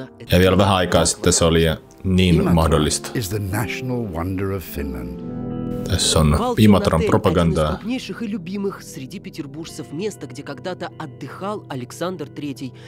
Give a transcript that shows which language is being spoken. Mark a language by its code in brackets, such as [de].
[fi] Ja vielä vähän aikaa sitten se oli niin mahdollista. [en] Is the national wonder of Finland. [fi] Tässä on Imatran propagandaa. [ru] Niin любимых среди петербуржцев место, где когда-то отдыхал Александр III.